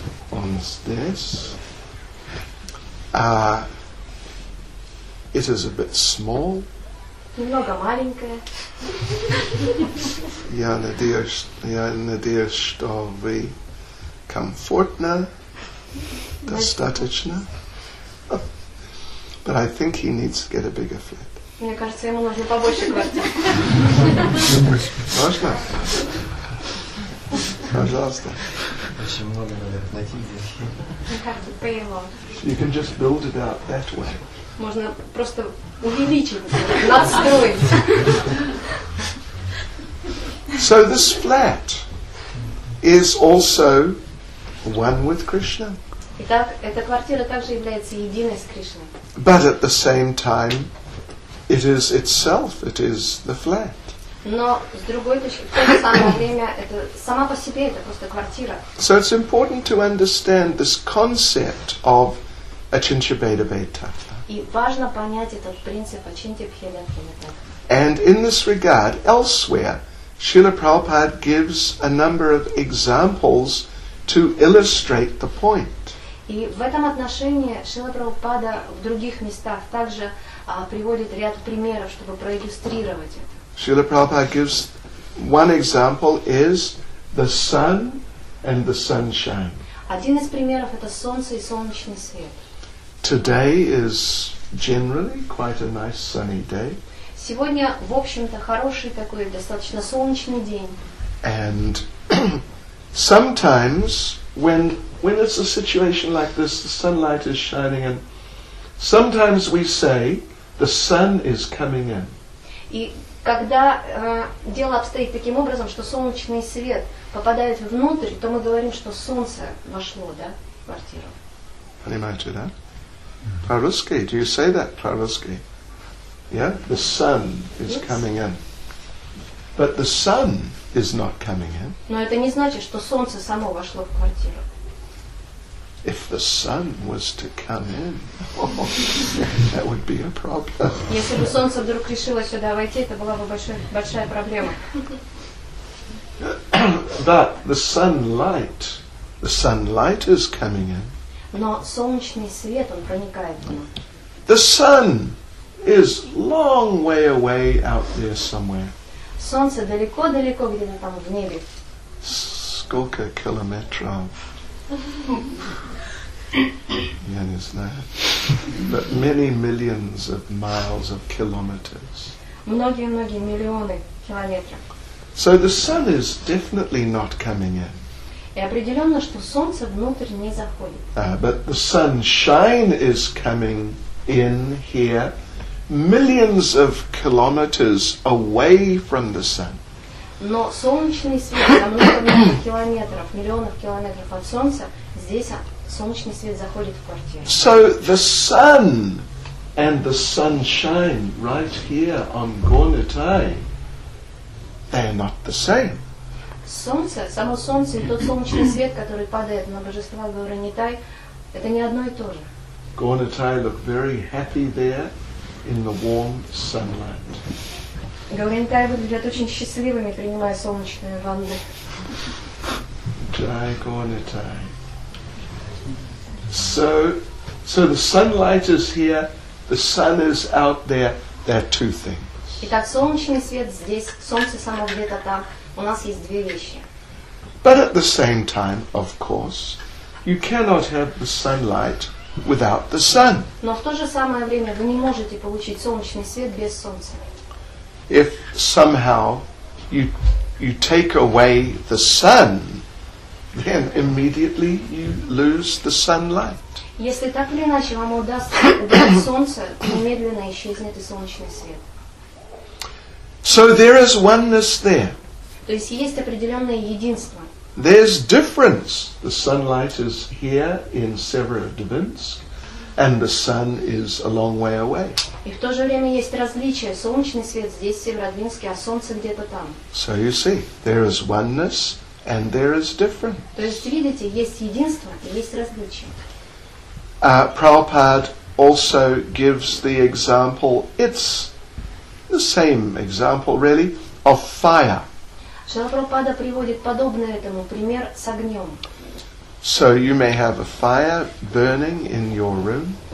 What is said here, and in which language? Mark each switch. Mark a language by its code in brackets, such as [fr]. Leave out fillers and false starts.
[en] On this, it is a bit small. [ru] Немного маленькая. Я надеюсь, что вы комфортно. Достаточно. [en] But I think he needs to get a bigger flat. [ru] Мне кажется, ему нужно побольше квартиры. Можно? Пожалуйста. Очень много надо найти здесь. [en] You can just build it out that way. [ru] Можно просто увеличить, настроить. [en] So this flat is also one with Krishna. [ru] Итак, эта квартира также является единой с Кришной. [en] But at the same time, it is itself, it is the flat. [ru] Но с другой точки, в то же самое время, это сама по себе, это просто квартира. [en] So it's important to understand this concept of Achintya Bhed Abhed Tattva. [ru] И важно понять этот принцип Achintya Bhed Abhed Tattva. [en] And in this regard, elsewhere, Srila Prabhupada gives a number of examples to illustrate the point. [ru] И в этом отношении Шрила Прабхупада в других местах также приводит ряд примеров, чтобы проиллюстрировать это. [en] Шрила Прабхупада gives one example is the sun and the sunshine. [ru] Один из примеров это солнце и солнечный свет. [en] Today is generally quite a nice sunny day. [ru] Сегодня, в общем-то, хороший такой достаточно солнечный день. [en] And sometimes when it's a situation like this, the sunlight is shining and sometimes we say the sun is coming in. [ru] И когда дело обстоит таким образом, что солнечный свет попадает внутрь, то мы говорим, что солнце вошло, да, в квартиру. Понимаете, да? По-русски, [en] do you say that [ru] по-русски? [en] Yeah, the sun is coming in. But the sun is not coming in. [ru] Но это не значит, что солнце само вошло в квартиру. [en] If the sun was to come in, that would be a problem. [ru] Если бы солнце вдруг решило сюда войти, это была бы большая проблема. [en] But the sunlight is coming in. [ru] Но солнечный свет он проникает в него. [en] The sun is long way away out there somewhere. [ru] Солнце далеко-далеко где-то там в небе. Сколько километров? я не знаю. [en] But many millions of miles of kilometers. [ru] Многие-многие миллионы километров. [en] So the sun is definitely not coming in. [ru] И определенно, что солнце внутрь не заходит. [en] But the sunshine is coming in here, millions of kilometers away from the sun. [ru] Но солнечный свет, там много километров, миллионов километров от солнца, здесь солнечный свет заходит в квартиру. [en] So the sun and the sunshine right here on Gornatai, they are not the same. [ru] Солнце, само солнце и тот солнечный свет, который падает на божество Гаранитай, это не одно и то же. [en] Gornatai look very happy there in the warm sunlight. [ru] Гаранитай выглядят очень счастливыми, принимая солнечные ванны. [en] Jai Gornatai. So the sunlight is here, the sun is out there, there are two things. [ru] Итак, солнечный свет здесь, солнце само где-то там. У нас есть две вещи. [en] But at the same time, of course, you cannot have the sunlight without the sun. [ru] Но в то же самое время вы не можете получить солнечный свет без солнца. [en] If somehow you take away the sun, then immediately you lose the sunlight. [ru] Если так или иначе вам удастся убрать солнце, немедленно исчезнет и солнечный свет. [en] So there is oneness there. [ru] То есть есть определенное единство. [en] There's difference. The sunlight is here in Severodvinsk, and the sun is a long way away. [ru] И в то же время есть различие. Солнечный свет здесь, в Северодвинске, а солнце где-то там. [en] So you see, there is oneness and there is difference. [ru] То есть видите, есть единство и есть различие. [en] Prabhupada also gives the example. It's the same example, really, of fire. [ru] Шрила Прабхупада приводит подобное этому пример с огнем. [en] So you may have a fire burning in your room.